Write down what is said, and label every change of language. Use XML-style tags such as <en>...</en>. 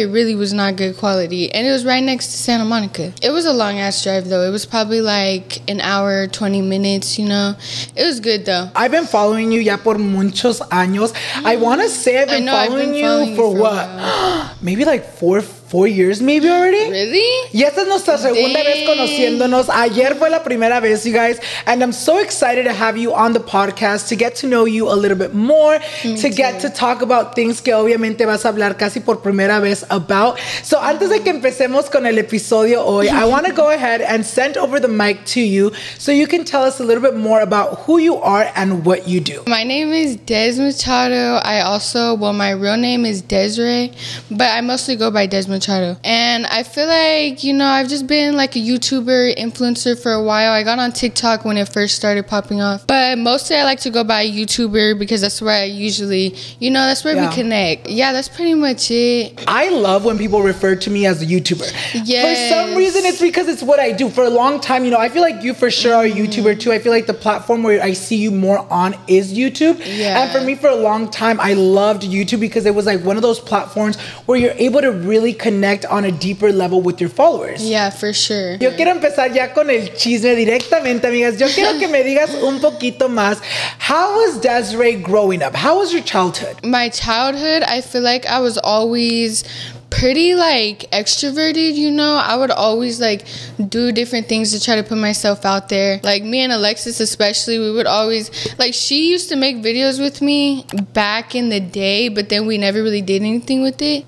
<en>It really was not good quality. And it was right next to Santa Monica. It was a long ass drive though. It was probably like an hour, 20 minutes, you know. It was good though. I've been following you</en> <es>ya por muchos años.</es> <en>I want to say I've been following you for what? Maybe like four years maybe already. Really?</en> <es>Y esta es nuestra segunda vez conociéndonos. Ayer fue la primera vez,</es> <en>you guys. And I'm so excited to have you on the podcast to get to know you a little bit more. Get to talk about things</en> <es>que obviamente vas a hablar casi por primera vez</es> <en>about. So</en> <es>antes de que empecemos con el episodio hoy,</es> <en>I want to go ahead and send over the mic to you so you can tell us a little bit more about who you are and what you do. My name is Des Machado. My real name is Desiree, but I mostly go by Des Machado. And I feel like, you know, I've just been like a YouTuber influencer for a while. I got on TikTok when it first started popping off, but mostly I like to go by YouTuber because that's where I usually, you know, that's where we connect. Yeah, that's pretty much it. I love when people refer to me as a YouTuber. Yes. For some reason, it's because it's what I do for a long time. You know, I feel like you for sure are a YouTuber too. I feel like the platform where I see you more on is YouTube. Yeah. And for me, for a long time, I loved YouTube because it was like one of those platforms where you're able to really connect on a deeper level with your followers. Yeah, for sure.</en> <es>Yo quiero empezar ya con el chisme directamente, amigas. Yo quiero que me digas un poquito más.</es> <en>How was Desiree growing up? How was your childhood? My childhood, I feel like I was always pretty like extroverted, you know. I would always like do different things to try to put myself out there. Like me and Alexis especially, we would always like, she used to make videos with me back in the day, but then we never really did anything with it.</en>